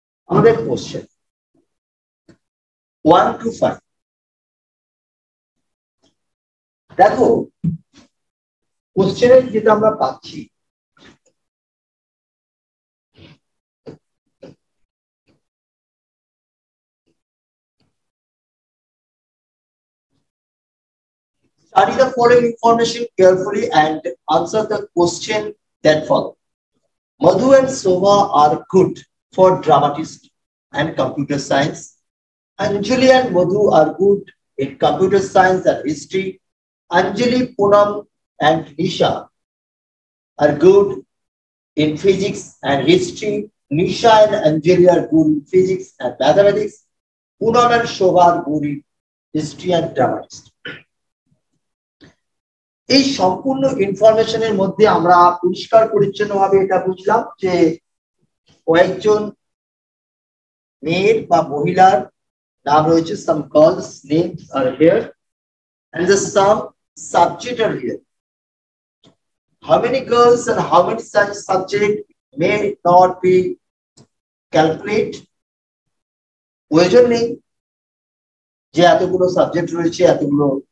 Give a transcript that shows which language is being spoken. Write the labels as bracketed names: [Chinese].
[Bangla] আমাদের question 1 to 5 দেখো কোশ্চেনের যেটা আমরা পাচ্ছি [English] Study the following information carefully and answer the question That follow. Madhu and Soma are good for dramatist and computer science. Anjali and Madhu are good in computer science and history. Anjali, Poonam and Nisha are good in physics and history. Nisha and Anjali are good in physics and mathematics. Poonam and Soma are good in history and dramatist. [Bangla] এই সম্পূর্ণ ইনফরমেশনের মধ্যে আমরা পরিষ্কার পরিচ্ছন্ন ভাবে এটা বুঝলাম যে কয়েকজন মেয়ের বা মহিলার নাম রয়েছে [English] some girls names are here and the some subject are here how many girls and how many subject may not be calculate [Bangla] প্রয়োজন নেই যে এতগুলো সাবজেক্ট রয়েছে এতগুলো